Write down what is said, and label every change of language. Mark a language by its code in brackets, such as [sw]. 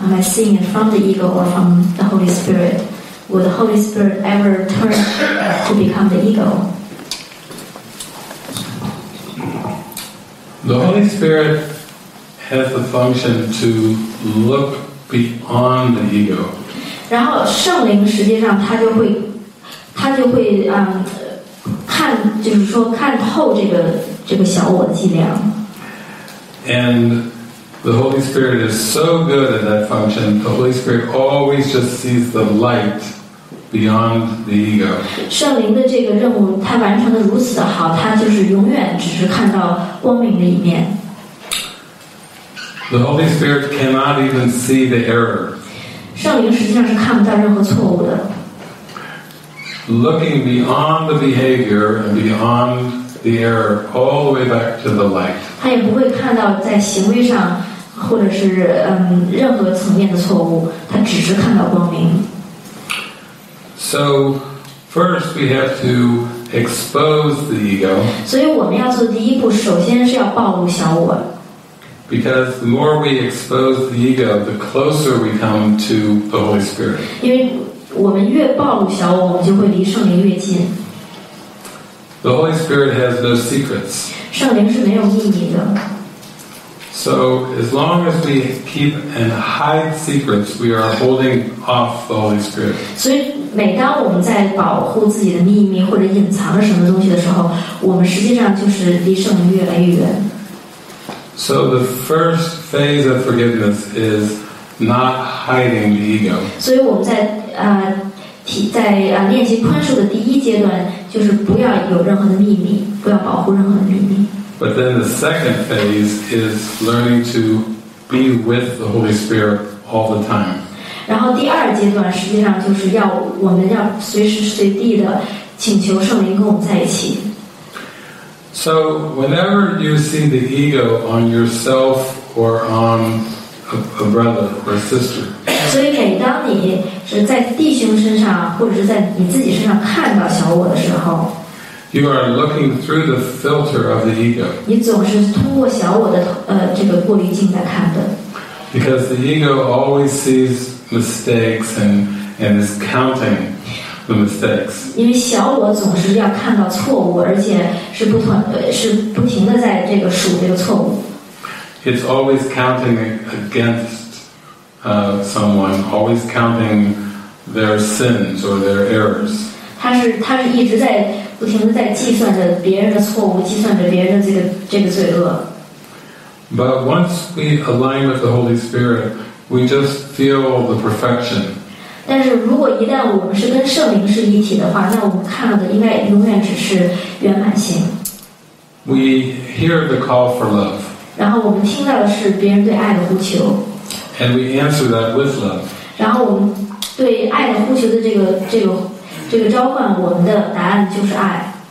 [en] Am I seeing it from the ego or from the Holy Spirit? Will the Holy Spirit ever turn to become the ego? The Holy Spirit has the function to look beyond the ego. [zh] 然后圣灵实际上他就会看，就是说看透这个小我的伎俩。 [en] And the Holy Spirit is so good at that function. The Holy Spirit always just sees the light beyond the ego. [zh] 圣灵的这个任务，他完成的如此的好，他就是永远只是看到光明的一面。 [en] The Holy Spirit cannot even see the error. [zh] 圣灵实际上是看不到任何错误的。 [en] Looking beyond the behavior and beyond the error, all the way back to the light. [zh] 他也不会看到在行为上或者是任何层面的错误，他只是看到光明。 [en] So, first we have to expose the ego. [zh] 所以我们要做第一步，首先是要暴露小我。 [en] Because the more we expose the ego, the closer we come to the Holy Spirit. [zh] 我们越暴露小我，我们就会离圣灵越近。 [en] The Holy Spirit has no secrets. [zh] 圣灵是没有秘密的。 [en] So as long as we keep and hide secrets, we are holding off the Holy Spirit. [zh] 所以每当我们在保护自己的秘密或者隐藏什么东西的时候，我们实际上就是离圣灵越来越远。 [en] So the first phase of forgiveness is not hiding the ego. [zh] 所以我们在在练习宽恕的第一阶段，就是不要有任何的秘密，不要保护任何的秘密。 [en] But then the second phase is learning to be with the Holy Spirit all the time. [zh] 然后第二阶段实际上就是要我们要随时随地的请求圣灵跟我们在一起。 [en] So whenever you see the ego on yourself or on a brother or a sister, [zh] 所以每当你是在弟兄身上或者是在你自己身上看到小我的时候， [en] you are looking through the filter of the ego. [zh] 你总是通过小我的这个过滤镜在看的。 [en] Because the ego always sees mistakes and is counting the mistakes. [zh] 因为小我总是要看到错误，而且是不同是不停的在这个数这个错误。 [en] It's always counting against someone, always counting their sins or their errors. [zh] 他是一直在不停的在计算着别人的错误，计算着别人的这个罪恶。 [en] But once we align with the Holy Spirit, we just feel the perfection. [zh] 但是如果一旦我们是跟圣灵是一体的话，那我们看到的应该永远只是圆满性。 [en] We hear the call for love. [zh] 然后我们听到的是别人对爱的呼求。 [en] And we answer that with love. [zh] 然后我们对爱的呼求的这个召唤，我们的答案就是爱。